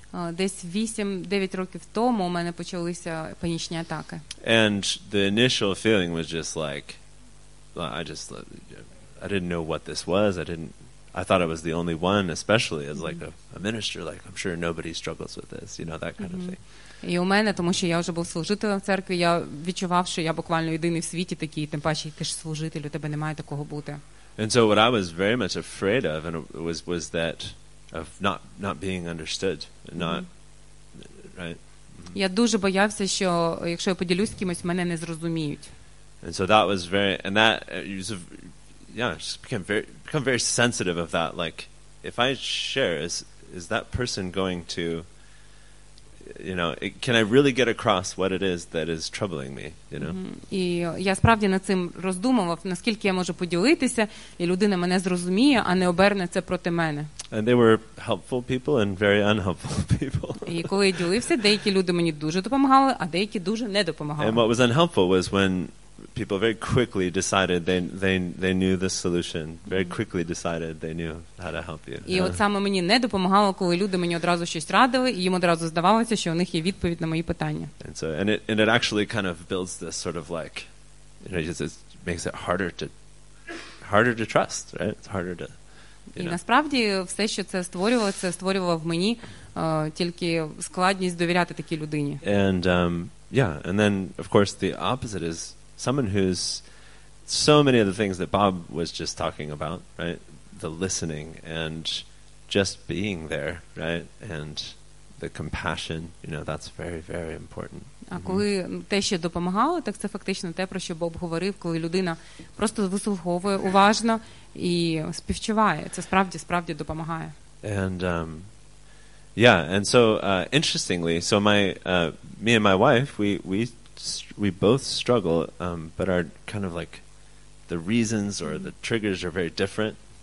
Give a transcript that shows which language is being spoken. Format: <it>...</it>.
<uk>Десь 8-9 років тому у мене почалися панічні атаки.</uk> <en>And the initial feeling was just like I didn't know what this was. I thought I was the only one, especially as like a minister, like I'm sure nobody struggles with this, you know, that kind of thing.</en> <uk>І у мене, тому що я вже був служителем в церкві, я відчував, що я буквально єдиний в світі такий, тим паче, ти ж служитель, у тебе немає такого бути.</uk> <en>And so what I was very much afraid of and was that of not being understood, not right?</en> <uk>Я дуже боявся, що якщо я поділюсь кимось, мене не зрозуміють.</uk> <en>And so that was very, and that, just became very sensitive of that. Like, if I share, is that person going to, you know, can I really get across what it is that is troubling me, you know?</en> <uk>І я справді над цим роздумував, наскільки я можу поділитися, і людина мене зрозуміє, а не оберне це проти мене.</uk> <en>And they were helpful people and very unhelpful people.</en> <uk>І коли я ділився, деякі люди мені дуже допомагали, а деякі дуже не допомагали.</uk> <en>And what was unhelpful was when people very quickly decided they knew the solution. Very quickly decided they knew how to help you.</en> <uk>І от саме мені не допомагало, коли люди мені одразу щось радили, і їм одразу здавалося, що у них є відповідь на мої питання.</uk> <en>And so, and it actually kind of builds this sort of like, you know, it just makes it harder to trust, right? It's harder to,</en> <uk>і насправді все, що це створювало в мені тільки складність довіряти такій людині.</uk> <en>And and then of course the opposite is someone who's so many of the things that Bob was just talking about, right? The listening and just being there, right? And the compassion, you know, that's very, very important.</en> <uk>А коли те, що допомагало, так це фактично те, про що Боб говорив, коли людина просто вислуховує уважно і співчуває. Це справді, справді допомагає.</uk> <en>And interestingly, so me and my wife, we both struggle, but are kind of like the reasons or the triggers are very different.</en>